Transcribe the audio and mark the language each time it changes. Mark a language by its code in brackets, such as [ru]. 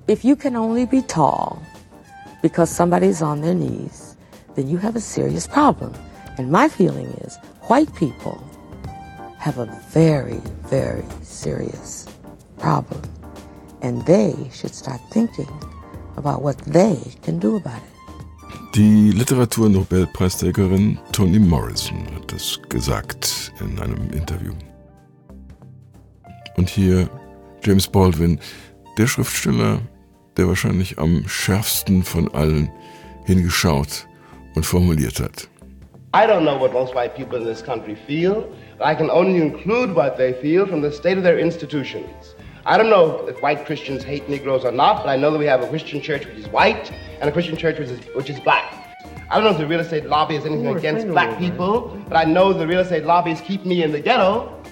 [en] If you can only be tall because somebody's on their knees, then you have a serious problem. And my feeling is white people have a very, very serious problem. And they should start thinking about what they can do about it. [de] Die Literatur-Nobelpreisträgerin Toni Morrison hat das gesagt in einem Interview. Und hier James Baldwin, der Schriftsteller, der wahrscheinlich am schärfsten von allen hingeschaut und formuliert hat. [en] I don't know what most white people in this country feel, but I can only include what they feel from the state of their institutions. I don't know if white Christians hate Negroes or not, but I know that we have a Christian church which is white and a Christian church which is black. I don't know if the real estate lobby is anything against black people, but I know the real estate lobbies keep me in the ghetto.